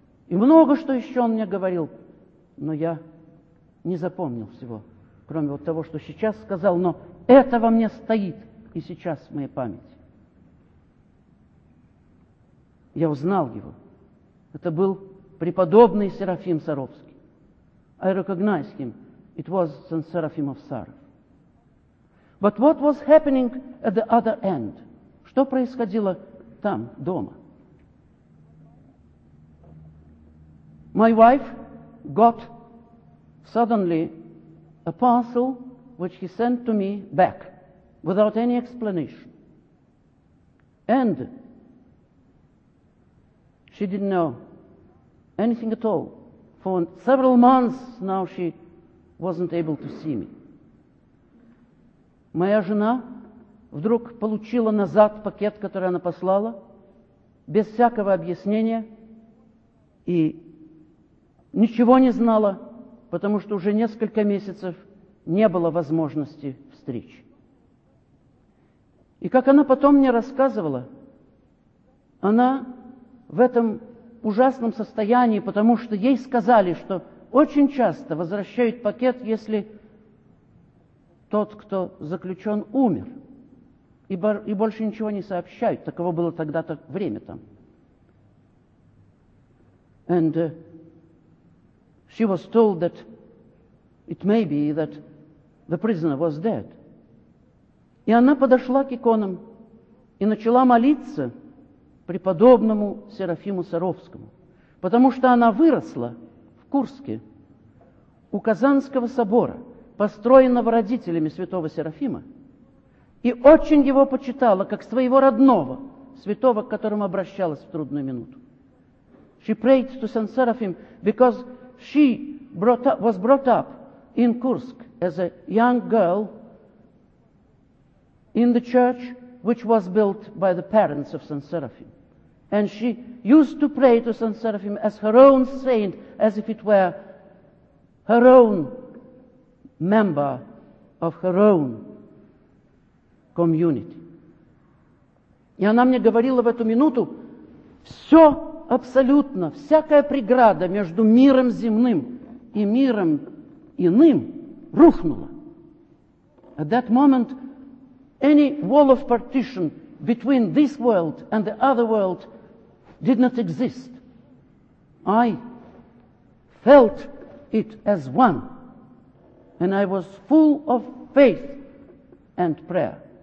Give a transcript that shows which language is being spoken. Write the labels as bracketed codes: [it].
[ru] И много что еще он мне говорил, но я не запомнил всего, кроме вот того, что сейчас сказал, но это во мне стоит и сейчас в моей памяти. Я узнал его. Это был преподобный Серафим Саровский. [en] I recognized him. It was Saint Seraphim of Sarov. But what was happening at the other end? [ru] Что происходило там, дома? [en] My wife got suddenly a parcel which he sent to me back without any explanation. And she didn't know anything at all. For several months now she wasn't able to see me. [ru] Моя жена вдруг получила назад пакет, который она послала, без всякого объяснения, и ничего не знала, потому что уже несколько месяцев не было возможности встречи. И как она потом мне рассказывала, она в этом ужасном состоянии, потому что ей сказали, что очень часто возвращают пакет, если тот, кто заключен, умер, и больше ничего не сообщают. Таково было тогда-то время там. [en] And she was told that it may be that the prisoner was dead. [ru] И она подошла к иконам и начала молиться преподобному Серафиму Саровскому, потому что она выросла в Курске у Казанского собора, построенного родителями святого Серафима, и очень его почитала как своего родного, святого, к которому обращалась в трудную минуту. [en] She prayed to Saint Seraphim because she was brought up in Kursk as a young girl in the church which was built by the parents of Saint Seraphim. And she used to pray to Saint Seraphim as her own saint, as if it were her own member of her own community. [ru] И она мне говорила в эту минуту, все абсолютно, всякая преграда между миром земным и миром иным рухнула. [en] At that moment, any wall of partition between this world and the other world did not exist. I felt it as one, and I was full of faith and prayer.